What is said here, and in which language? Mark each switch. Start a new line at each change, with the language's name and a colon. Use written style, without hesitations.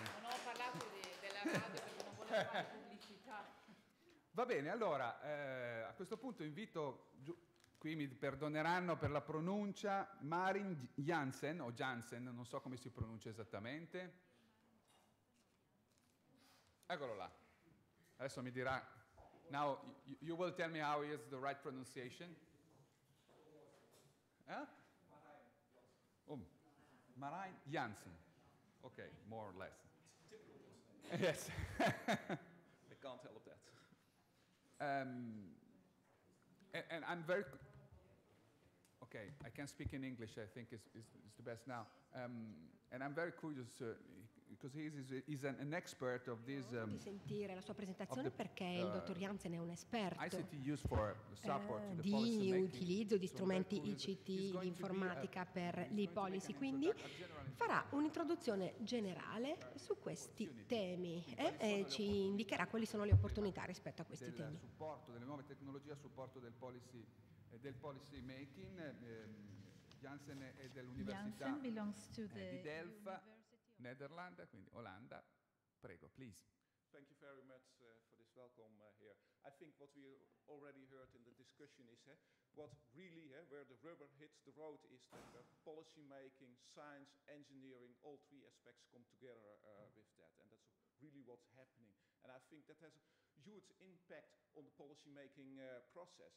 Italian: Non ho parlato della radio perché non volevo fare pubblicità. Va bene, allora, a questo punto invito, qui mi perdoneranno per la pronuncia, Marin Jansen, o Jansen, non so come si pronuncia esattamente. Eccolo là. Adesso mi dirà.
English: Now, you will tell me how is the right pronunciation. Marin Jansen. Okay, more or less. Yes. I can't help that. And I'm very... Okay, I can speak in English, I think is the best now. And I'm very curious, because he's an expert of this...
Italian: Di sentire la sua presentazione perché il dottor Jansen è un esperto
English: ICT used for support to the
Italian: di utilizzo di strumenti ICT, di informatica per le policy. Quindi farà un'introduzione generale su questi temi e ci indicherà quali sono le opportunità rispetto a questi temi. Del supporto, delle nuove tecnologie a supporto del policy... del policy making, Jansen è dell'università di Delft, Netherlands, quindi Olanda. Prego,
English: please. Thank you very much for this welcome here. I think what we already heard in the discussion is what really, where the rubber hits the road is the policy making, science, engineering, all three aspects come together with that. And that's really what's happening. And I think that has a huge impact on the policy making process.